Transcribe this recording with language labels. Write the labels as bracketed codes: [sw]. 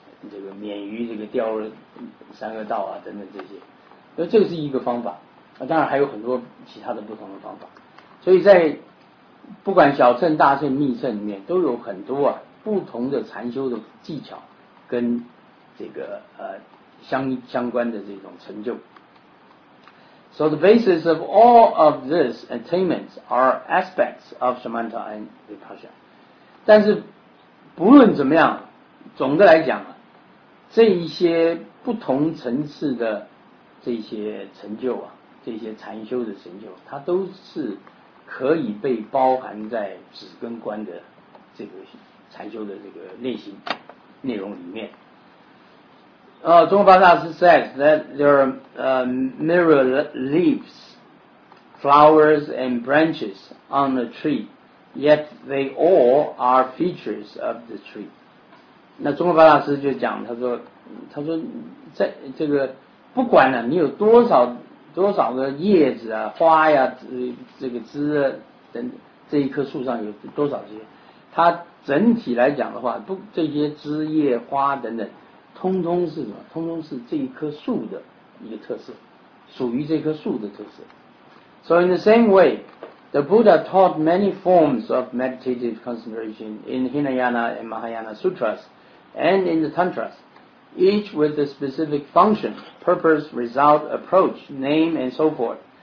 [zh] 这个免于这个掉入三恶道啊等等这些，那这个是一个方法，啊，当然还有很多其他的不同的方法，所以在不管小乘、大乘、密乘里面都有很多啊不同的禅修的技巧跟这个相关的这种成就。 [en] So the basis of all of this attainments are aspects of Samatha and Vipassana. [zh] 但是不论怎么样，总的来讲，这一些不同层次的这些成就啊，这些禅修的成就，它都是可以被包含在止跟观的这个禅修的这个练习内容里面。 [en] 中国巴大师 says that there are mirror leaves, flowers and branches on the tree, yet they all are features of the tree. [zh] 那中国巴大师就讲，他说在这个不管呢，你有多少个叶子啊、花呀、这个枝啊等，这一棵树上有多少这些，它整体来讲的话，不，这些枝叶花等等，通通是什么？通通是这一棵树的一个特色，属于这棵树的特色。 [en] So in the same way, the Buddha taught many forms of meditative concentration in Hinayana and Mahayana sutras and in the tantras, each with a specific function, purpose, result, approach, name, and so forth.